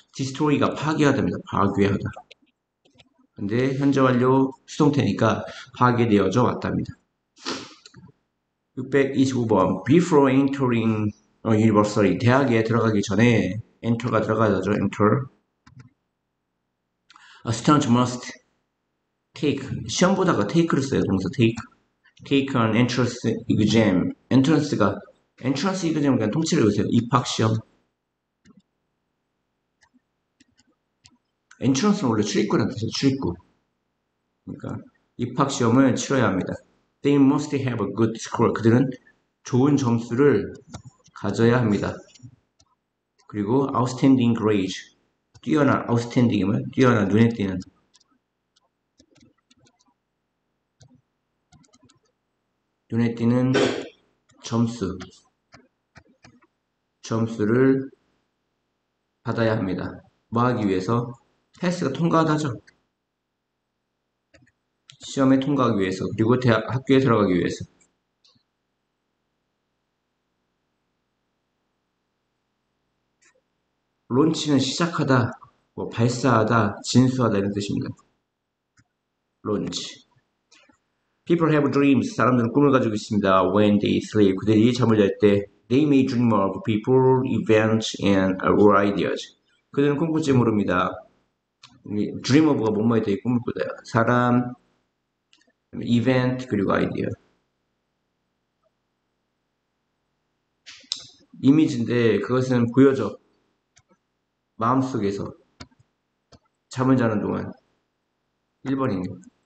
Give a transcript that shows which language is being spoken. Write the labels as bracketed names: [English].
[Korean] destroy가 파괴하다입니다. 파괴하다. 근데 현재 완료 수동태니까 파괴되어져 왔답니다. 625번 [English] Before entering university, [Korean] 대학에 들어가기 전에 enter가 들어가야죠. [English] enter. A student must take, [Korean] 시험 보다가 take를 써요. [English] 동사 take. take an entrance exam. [Korean] entrance가 entrance exam 그냥 통째로 외우세요. 입학 시험. entrance는 원래 출입구라는 뜻이에요. 출입구. 그러니까 입학 시험을 치러야 합니다. [English] They must have a good score. [Korean] 그들은 좋은 점수를 가져야 합니다. 그리고 [English] outstanding grades. [Korean] 뛰어난 outstanding이면 뛰어난 눈에 띄는. 눈에 띄는 점수. 점수를 받아야 합니다. 뭐 하기 위해서? 패스가 통과하다죠. 시험에 통과하기 위해서, 그리고 대학, 학교에 들어가기 위해서. 론치는 시작하다, 뭐 발사하다, 진수하다 이런 뜻입니다. [English] 론치. People have dreams. [Korean] 사람들은 꿈을 가지고 있습니다. [English] When they sleep. [Korean] 그들이 잠을 잘 때, [English] they may dream of people, events, and ideas. [Korean] 그들은 꿈꿀지 모릅니다. Dream of가 뭔말이 되게 꿈을 꾸다요. 사람, 이벤트 그리고 아이디어. 이미지인데 그것은 보여져. 마음속에서 잠을 자는 동안 1번입니다.